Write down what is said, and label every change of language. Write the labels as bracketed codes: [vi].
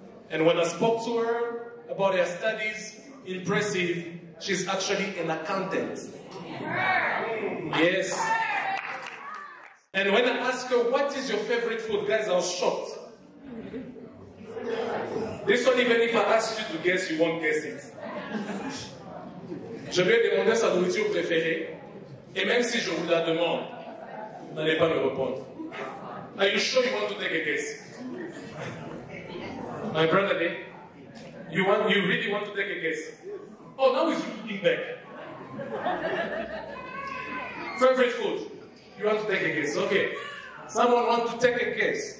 [en] And when I spoke to her about her studies, impressive, she's actually an accountant. Yes. And when I asked her, what is your favorite food? Guys, I was shocked. This one, even if I ask you to guess, you won't guess it. [fr] Je vais demander sa nourriture préférée, et même si je vous la demande, vous n'allez pas me répondre. [en] Are you sure you want to take a guess? My brother, eh? You really want to take a guess? Oh, now he's looking back. Favorite food? You want to take a guess? Okay. Someone want to take a guess?